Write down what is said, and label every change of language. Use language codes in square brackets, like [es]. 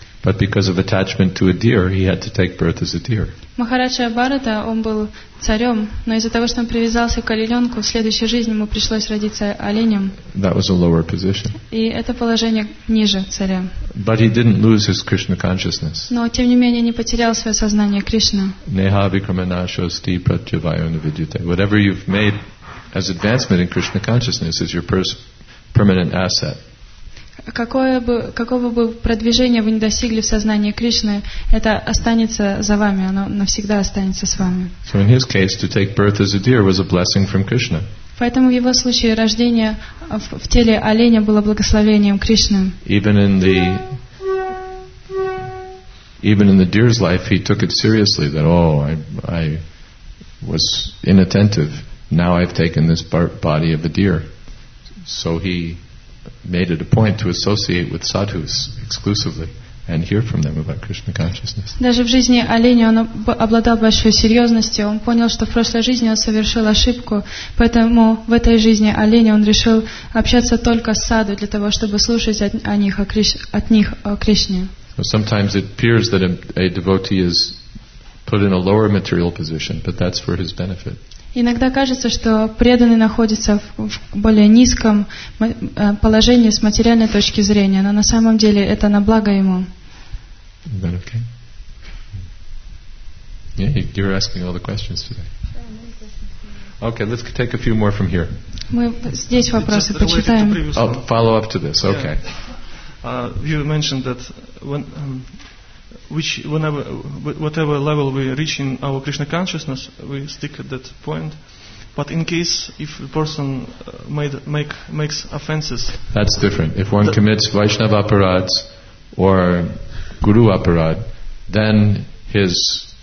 [en] But because of attachment to a deer, he had to take birth as a deer. [ru] Махараджа Бхарата, он был царем, но из-за того, что он привязался к олененку, в следующей жизни ему пришлось родиться оленем. [en] That was a lower position. [ru] И это положение ниже царя. [en] But he didn't lose his Krishna consciousness. [ru] Но тем не менее не потерял свое сознание Кришны. [sa] Neha vikramanasho sti pratyavayo navidyate. [en] Whatever you've made as advancement in Krishna consciousness is your permanent asset. [ru] Какого бы продвижения вы не достигли в сознании Кришны, это останется за вами, оно навсегда останется с вами. [en] So in his case, to take birth as a deer was a blessing from Krishna. [ru] Поэтому в его случае рождение в теле оленя было благословением Кришны. [en] Even in the deer's life, he took it seriously that, oh, I was inattentive. Now I've taken this body of a deer. So he made it a point to associate with sadhus exclusively and hear from them about Krishna consciousness. [ru] Даже в жизни оленя он обладал большой серьезностью. Он понял, что в прошлой жизни он совершил ошибку, поэтому в этой жизни оленя он решил общаться только с саду для того, чтобы слушать от них о Кришне. [en] Sometimes it appears that a devotee is put in a lower material position, but that's for his benefit. [ru] Иногда кажется, что преданный находится в более низком положении с материальной точки зрения, но на самом деле это на благо ему. [en] Is that okay? Yeah, you're asking all the questions today. Okay, let's take a few more from here. [ru] Мы здесь вопросы почитаем. [en] Oh, follow up to this. Okay. You mentioned that whatever level we reach in our Krishna consciousness, we stick at that point. But in case if a person makes offenses, that's different. If one commits Vaishnava aparads or Guru aparad, then his